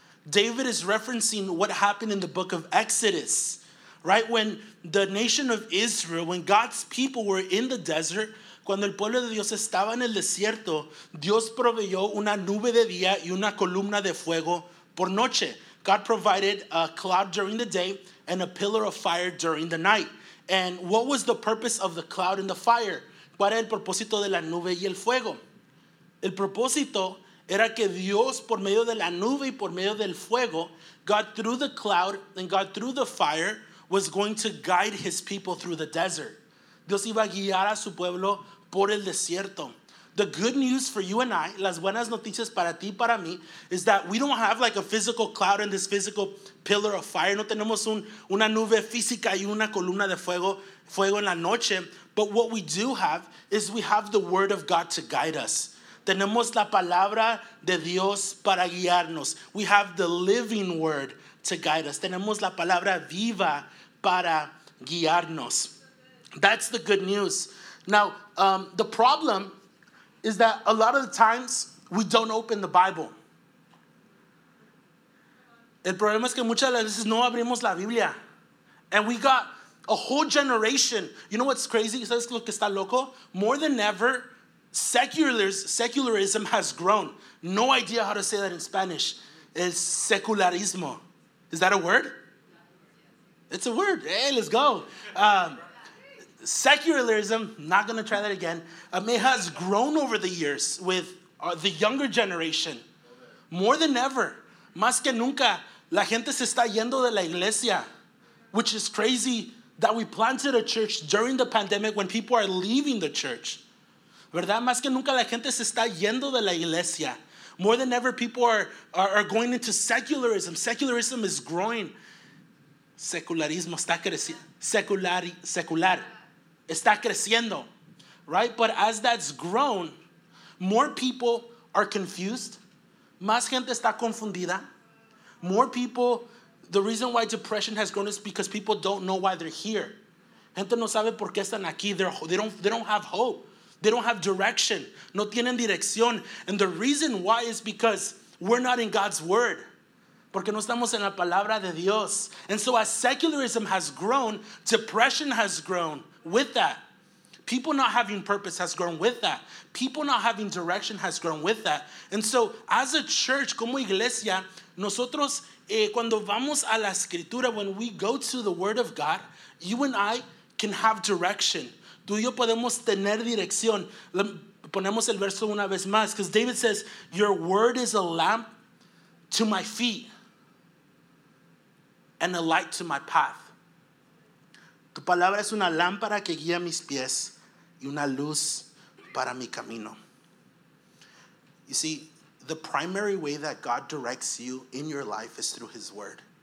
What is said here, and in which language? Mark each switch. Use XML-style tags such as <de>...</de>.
<en>David is referencing what happened in the book of Exodus, right? When the nation of Israel, when God's people were in the desert,</en> <es>Cuando el pueblo de Dios estaba en el desierto, Dios proveyó una nube de día y una columna de fuego por noche.</es> <en>God provided a cloud during the day and a pillar of fire during the night. And what was the purpose of the cloud and the fire?</en> <es>¿Cuál era el propósito de la nube y el fuego? El propósito era que Dios, por medio de la nube y por medio del fuego,</es> <en>God through the cloud and God through the fire, was going to guide his people through the desert.</en> <es>Dios iba a guiar a su pueblo por el desierto.</es> <en>The good news for you and I,</en> <es>las buenas noticias para ti y para mí,</es> <en>is that we don't have like a physical cloud and this physical pillar of fire.</en> <es>No tenemos una nube física y una columna de fuego en la noche.</es> <en>But what we do have is we have the word of God to guide us.</en> <es>Tenemos la palabra de Dios para guiarnos.</es> <en>We have the living word to guide us.</en> <es>Tenemos la palabra viva para guiarnos.</es> <en>That's the good news. Now, the problem is that a lot of the times we don't open the Bible.</en> <es>El problema es que muchas de las veces no abrimos la Biblia.</es> <en>And we got a whole generation. You know what's crazy?</en> <es>¿Sabes lo que está loco?</es> <en>More than ever, secularism has grown. No idea how to say that in Spanish. El secularismo. Is that a word? It's a word. Hey, let's go. Secularism, not going to try that again. It has grown over the years with the younger generation. More than ever.</en> <es>Más que nunca, la gente se está yendo de la iglesia.</es> <en>Which is crazy that we planted a church during the pandemic when people are leaving the church.</en> <es>¿Verdad? Más que nunca la gente se está yendo de la iglesia.</es> <en>More than ever, people are going into secularism. Secularism is growing.</en> <es>Secularismo está creciendo.</es> <en>Secular.</en> <es>Está creciendo.</es> <en>Right? But as that's grown, more people are confused.</en> <es>Más gente está confundida.</es> <en>More people, the reason why depression has grown is because people don't know why they're here.</en> <es>Gente no sabe por qué están aquí.</es> <en>They don't have hope. They don't have direction.</en> <es>No tienen dirección.</es> <en>And the reason why is because we're not in God's word.</en> <es>Porque no estamos en la palabra de Dios.</es> <en>And so as secularism has grown, depression has grown with that. People not having purpose has grown with that. People not having direction has grown with that. And so as a church,</en> <es>como iglesia, nosotros cuando vamos a la escritura,</es> <en>when we go to the word of God, you and I can have direction.</en> <es>Tú y yo podemos tener dirección. Ponemos el verso una vez más.</es> <en>Because David says, your word is a lamp to my feet and a light to my path.</en> <es>Tu palabra es una lámpara que guía mis pies y una luz para mi camino.</es> <en>You see, the primary way that God directs you in your life is through his word.</en>